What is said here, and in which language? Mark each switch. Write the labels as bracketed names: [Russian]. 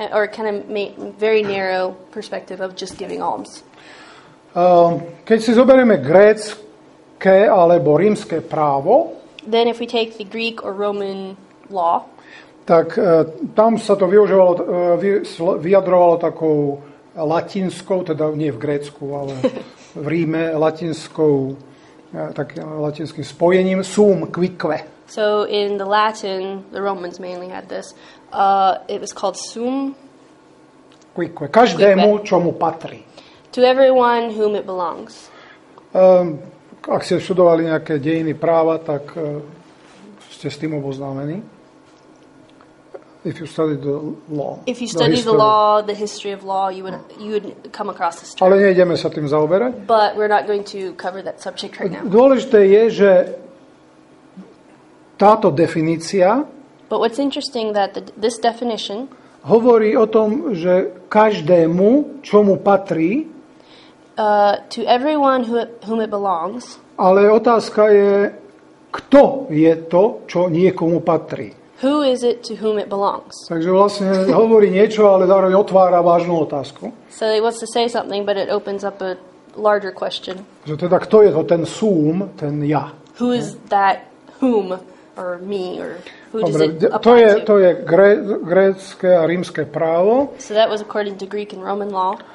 [English] Or kind of very narrow perspective of just giving alms. [Slovak] Keď si zoberieme grécke alebo rímske právo, [English] then if we take the Greek or Roman law, [Slovak] tak tam sa to vyjadrovalo takou latinskou, teda nie v Grécku, ale v Ríme latinskou, takým latinským spojením sum quique. [English] So in the Latin, the Romans mainly had this. It was called sum [Slovak] quique. Každému, čo mu patrí. [English] To everyone whom it belongs. [Slovak] Ak ste študovali nejaké dejiny práva, tak ste s tým oboznámení. [English] If you study the law. If you study the law, the history of law, you would come across this term. [Slovak] Ale nejdeme sa tým zaoberať. [English] But we're not going to cover that subject right now. [Slovak] Dôležité je, že táto definícia. [English] But what's interesting that this definition [Slovak] hovorí o tom, že každému, čo mu patrí, [English] To everyone whom it belongs. [Slovak] Ale otázka je, kto je to, čo niekomu patrí. [English] Who is it to whom it belongs? [Slovak] Takže vlastne hovorí niečo, ale zároveň otvára vážnu otázku. [English] So he wants to say something, but it opens up a larger question. [Slovak] Že teda, kto je to ten sum, ten ja? [English] Who is that whom or me or who [Slovak] Dobre, [English] does it apply to? [Slovak] To je grécke a rímske právo. [English] So that was according to Greek and Roman law.